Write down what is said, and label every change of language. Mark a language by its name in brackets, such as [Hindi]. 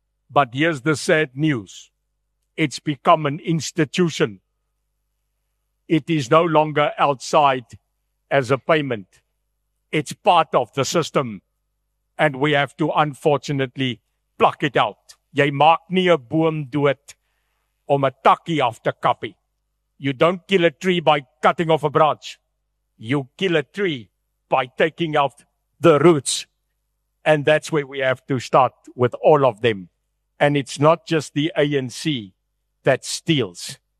[English] But here's the sad news. It's become an institution. It is no longer outside as a payment. It's part of the system. And we have to, unfortunately, pluck it out. [Afrikaans] Jy maak nie 'n boom dood om 'n takkie af te kappie. [English] You don't kill a tree by cutting off a branch. You kill a tree by taking out the roots. And that's where we have to start with all of them. And it's not just the ANC that steals.